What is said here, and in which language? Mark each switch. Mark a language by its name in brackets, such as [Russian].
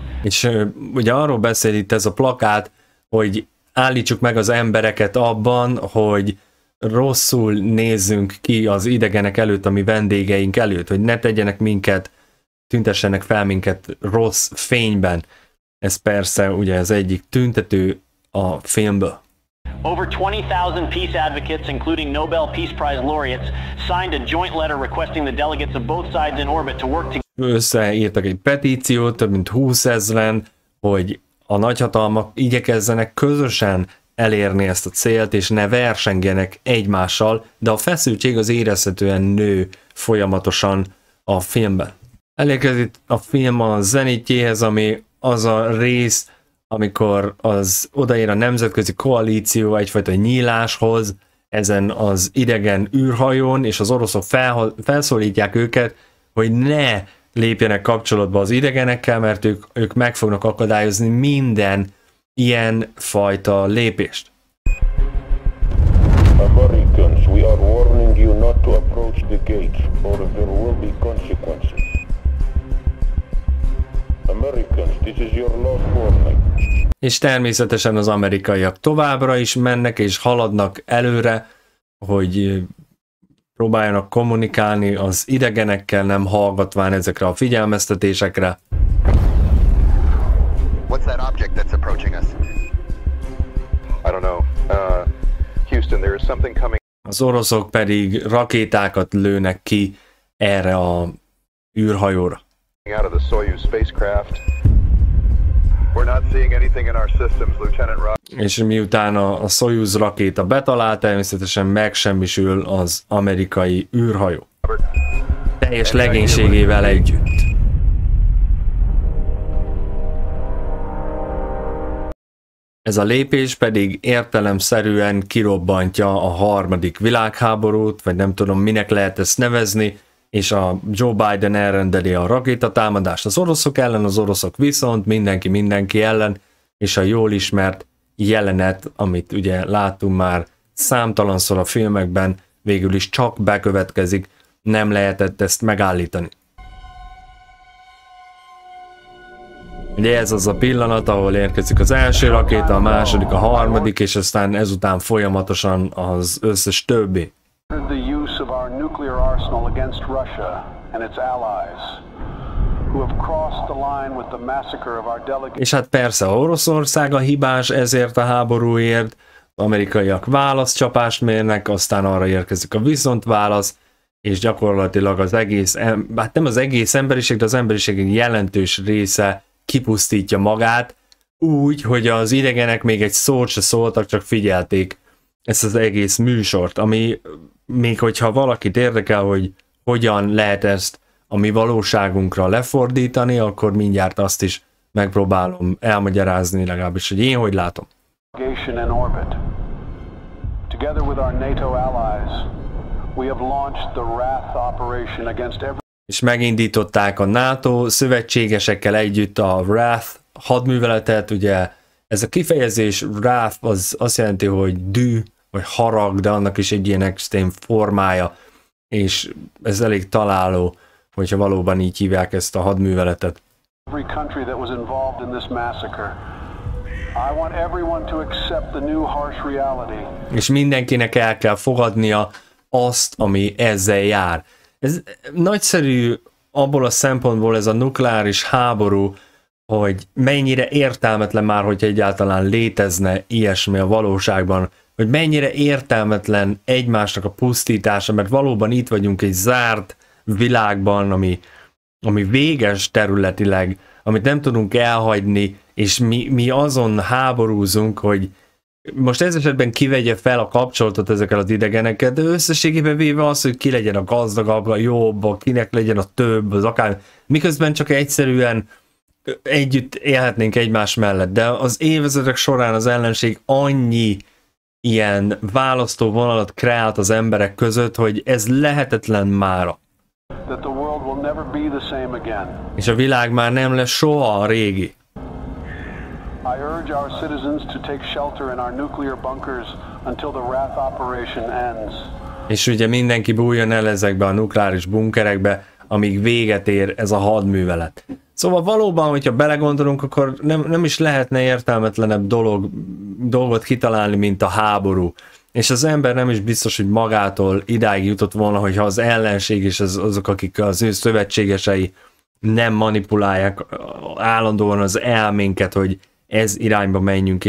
[Hungarian] És ugye arról beszél itt ez a plakát, hogy állítsuk meg az embereket abban, hogy rosszul nézzünk ki az idegenek előtt, a mi vendégeink előtt, hogy ne tegyenek minket, tüntessenek fel minket rossz fényben. Ez persze ugye az egyik tüntető a filmből. [English] Over 20,000 peace advocates, including Nobel Peace Prize laureates, signed a joint letter requesting the delegates of both sides in orbit to work together. [Hungarian] Összeírtak egy petíciót, több mint 20,000-en, hogy a nagyhatalmak igyekezzenek közösen elérni ezt a célt, és ne versengjenek egymással, de a feszültség az érezhetően nő folyamatosan a filmben. Elérkezik a film a zenitjéhez, ami az a rész, amikor az odaér a nemzetközi koalíció egyfajta nyíláshoz ezen az idegen űrhajón, és az oroszok felszólítják őket, hogy ne lépjenek kapcsolatba az idegenekkel, mert ők meg fognak akadályozni minden ilyen fajta lépést. [English] Americans, we are warning you not to approach the gates, or there will be consequences. Americans, this is your last warning. [Hungarian] És természetesen az amerikaiak továbbra is mennek és haladnak előre, hogy próbáljanak kommunikálni az idegenekkel, nem hallgatván ezekre a figyelmeztetésekre. [English] What's that object that's approaching us? I don't know. Houston, there is something coming. [Hungarian] Az oroszok pedig rakétákat lőnek ki erre a űrhajóra. [English] Out of the Soyuz spacecraft. We're not seeing anything in our systems, Lieutenant Rod. [Hungarian] És miután a Soyuz rakéta betalált, természetesen megsemmisül az amerikai űrhajó. Teljes legénységével együtt. Ez a lépés pedig értelemszerűen kirobbantja a harmadik világháborút, vagy nem tudom minek lehet ezt nevezni, és a Joe Biden elrendeli a rakétatámadást az oroszok ellen, az oroszok viszont mindenki ellen, és a jól ismert jelenet, amit ugye láttunk már számtalanszor a filmekben, végül is csak bekövetkezik, nem lehetett ezt megállítani. Ugye ez az a pillanat, ahol érkezik az első rakéta, a második, a harmadik, és aztán ezután folyamatosan az összes többi. [English] The use of our nuclear arsenal against Russia and its allies, who have crossed the line with the massacre of our delegates. [Hungarian] És hát persze Oroszország a hibás ezért a háborúért, amerikaiak válaszcsapást mérnek, aztán arra érkezik a viszontválasz, és gyakorlatilag az egész, hát nem az egész emberiség, de az emberiség egy jelentős része kipusztítja magát úgy, hogy az idegenek még egy szót se szóltak, csak figyelték ezt az egész műsort, ami még hogyha valakit érdekel, hogy hogyan lehet ezt a mi valóságunkra lefordítani, akkor mindjárt azt is megpróbálom elmagyarázni legalábbis, hogy én hogy látom. [English] In orbit. Together with our NATO allies, we have launched the Wrath operation against every... [Hungarian] És megindították a NATO szövetségesekkel együtt a Wrath hadműveletet, ugye ez a kifejezés Wrath az azt jelenti, hogy dű, vagy harag, de annak is egy ilyen extrém formája, és ez elég találó, hogyha valóban így hívják ezt a hadműveletet. [English] Every country that was involved in this massacre. I want everyone to accept the new harsh reality. [Hungarian] És mindenkinek el kell fogadnia azt, ami ezzel jár. Ez nagyszerű abból a szempontból ez a nukleáris háború, hogy mennyire értelmetlen már, hogyha egyáltalán létezne ilyesmi a valóságban, hogy mennyire értelmetlen egymásnak a pusztítása, mert valóban itt vagyunk egy zárt világban, ami véges területileg, amit nem tudunk elhagyni, és mi azon háborúzunk, hogy most ez esetben kivegye fel a kapcsolatot ezekkel az idegenekkel, de összességében véve az, hogy ki legyen a gazdagabb, a jobb, a kinek legyen a több, az akár, miközben csak egyszerűen együtt élhetnénk egymás mellett, de az évezetek során az ellenség annyi ilyen választó vonalat kreált az emberek között, hogy ez lehetetlen mára. [English] That the world will never be the same again. [Hungarian] És a világ már nem lesz soha a régi. [English] I urge our citizens to take shelter in our nuclear bunkers until the Wrath operation ends. [Hungarian] És ugye mindenki bújjon el ezekbe a nukleáris bunkerekbe, amíg véget ér ez a hadművelet. Szóval valóban, hogyha belegondolunk, akkor nem is lehetne értelmetlenebb dolgot kitalálni, mint a háború. És az ember nem is biztos, hogy magától idáig jutott volna, hogyha az ellenség és azok, akik az ő szövetségesei nem manipulálják állandóan az elménket, hogy ez irányba menjünk.